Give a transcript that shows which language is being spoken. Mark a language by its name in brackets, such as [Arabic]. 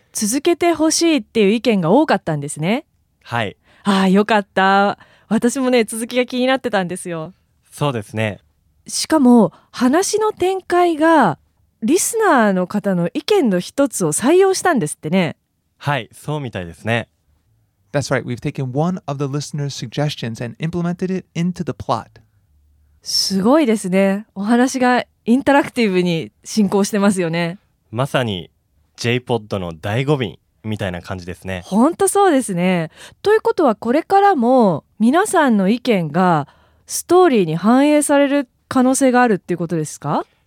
[Japanese] 続けてほしいっていう意見が多かったんですね。はい。ああ、よかった。私もね、続きが気になってたんですよ。そうですね。しかも話の展開がリスナーの方の意見の一つを採用したんですってね。はい、そうみたいですね。 [English] That's right. We've taken one of the listener's suggestions and implemented it into the plot. [Japanese] すごいですね。お話がインタラクティブに進行してますよね。まさに J-POD の醍醐味みたいな感じですね。ほんとそうですね。ということはこれからも皆さんの意見がストーリーに反映される可能性があるっていうことですか？